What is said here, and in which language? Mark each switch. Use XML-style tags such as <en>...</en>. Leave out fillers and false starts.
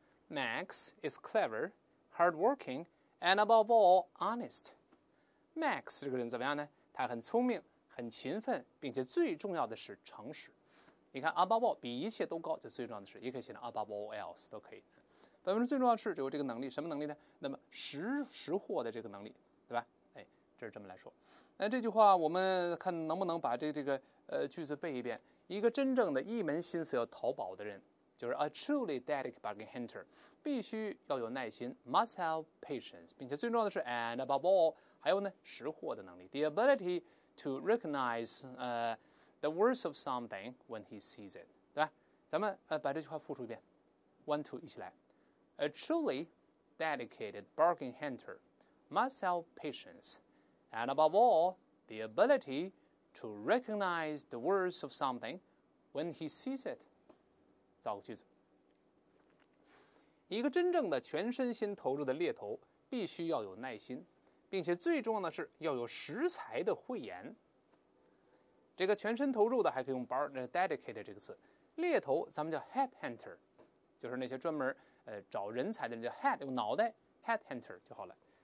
<en>Max is clever, hardworking, and above all, honest.</en> <zh>Max 这个人怎么样呢？他很聪明，很勤奋，并且最重要的是诚实。你看 ，</zh> <en>above all</en> <zh>比一切都高，就最重要的是，也可以写成</zh> <en>above all else</en> <zh>都可以。本文最重要的是有这个能力，什么能力呢？那么识货的这个能力，对吧？哎，这是这么来说。那这句话我们看能不能把这个句子背一遍。一个真正的一门心思要淘宝的人，就是</zh> <en>a truly dedicated bargain hunter，</en> <zh>必须要有耐心</zh> <en>，must have patience，</en> <zh>并且最重要的是</zh> <en>and above all，</en> <zh>还有呢识货的能力</zh> <en>，the ability to recognize the worth of something when he sees it， 对吧？</en> <zh>咱们把这句话复述一遍</zh> <en>，one two</en> <zh>一起来</zh> <en>，a truly dedicated bargain hunter must have patience and above all the ability to recognize the worth of something when he sees it。</en> <zh>造个句子，一个真正的全身心投入的猎头必须要有耐心，并且最重要的是要有识才的慧眼。这个全身投入的还可以用 dedicated 这个词，猎头咱们叫 head hunter， 就是那些专门找人才的人叫 head， 用脑袋 head hunter 就好了。</zh>